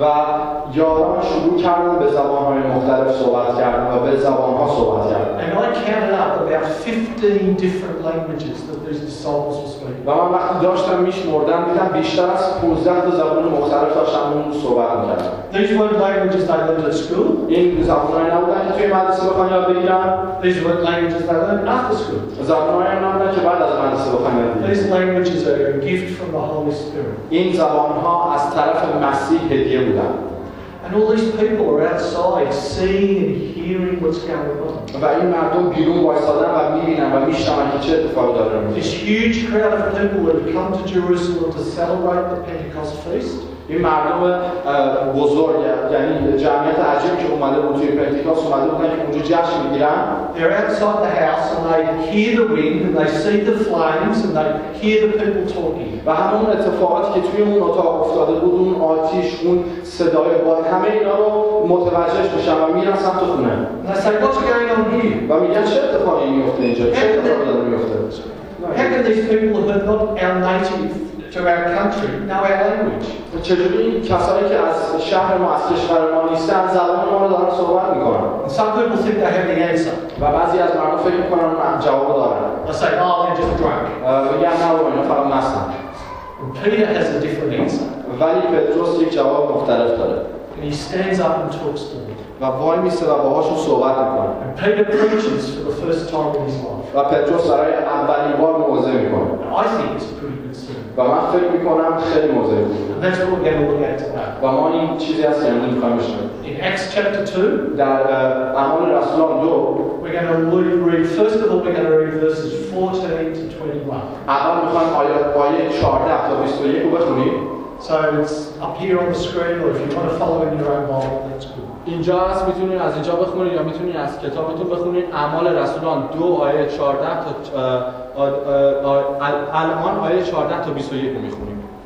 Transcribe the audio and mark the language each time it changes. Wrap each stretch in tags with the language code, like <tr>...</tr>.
<fa>و یاران شروع کردن به زبان‌های مختلف صحبت کردن و به زبان‌ها صحبت کردن.</fa> <en>And I counted up about 15 different languages that these disciples were speaking.</en> <fa>و من وقتی داشتم می‌شمردم دیدم بیشتر از 15 تا زبان مختلف داشتن اون صحبت می‌کردن.</fa> <en>These weren't languages I learned at school.</en> <fa>این زبان‌هایی نبودن که توی مدرسه بخوام یاد بگیرم.</fa> <en>These weren't languages I learned after school.</en> <fa>زبان‌هایی نبودن که بعد از مدرسه بخوام یاد بگیرم.</fa> <en>These languages are a gift from the Holy Spirit.</en> <fa>این زبان‌ها از طرف مسیح هدیه بودن.</fa> <en>And all these people are outside seeing and hearing what's going on.</en> <fa>و این مردم بیرون وایسادن و می‌بینن و می‌شنون که چه اتفاقی داره می‌افته.</fa> <en>This huge crowd of people would have come to Jerusalem to celebrate the Pentecost feast.</en> <fa>این مردم بزرگ، یعنی جمعیت عجیب که اومده بود توی پنتیکاست، اومده بودن که اونجا جشن میگیرن.</fa> <en>They're outside the house and they hear the wind and they see the flames and they hear the people talking.</en> <fa>و همون اتفاقاتی که توی اون اتاق افتاده بود، اون آتیش، اون صدای باد، همه اینا رو متوجهش میشن و میرن سمت خونه.</fa> <en>They say, what's going on here?</en> <fa>و میگن چه اتفاقی میفته اینجا؟ چه اتفاقی داره میفته؟</fa> <en>How can these people who are not our native to our country, know our language.</en> <fa>چجوری کسایی که از شهر ما، از کشور ما نیستن، زبان ما رو دارن صحبت میکنن؟</fa> <en>Some people think they have the answer.</en> <fa>و بعضی از مردم فکر میکنن اونا جواب دارن.</fa> <en>They say, oh, they're just drunk.</en> <fa>میگن نه، اونا فقط مستن.</fa> <en>Peter has a different answer.</en> <fa>ولی پتروس یک جواب مختلف داره.</fa> <en>And he stands up and talks to them.</en> <fa>و وای میسته و باهاشون صحبت میکنه.</fa> <en>And Peter preaches for the first time in his life.</en> <fa>و پتروس برای اولین بار موعظه میکنه.</fa> <en>And I think it's pretty good sermon.</en> <fa>و من فکر میکنم خیلی موعظه بود.</fa> <en>And that's what we're going to look at today.</en> <fa>و ما این چیزی هست که امروز میخوایم بشنویم.</fa> <en>In Acts chapter 2.</en> <fa>در اعمال رسولان 2.</fa> <en>We're going to read. First of all, we're going to read verses 14 to 21.</en> <fa>اول میخوایم آیه 14 تا 21 رو بخونیم.</fa> <en>So it's up here on the screen, or if you want to follow in your own Bible, that's good.</en> <fa>اینجا هست، میتونید از اینجا بخونید یا میتونید از کتابتون بخونید. اعمال رسولان 2 آیه 14 تا الان آیه 14 تا 21 میخونیم.</fa>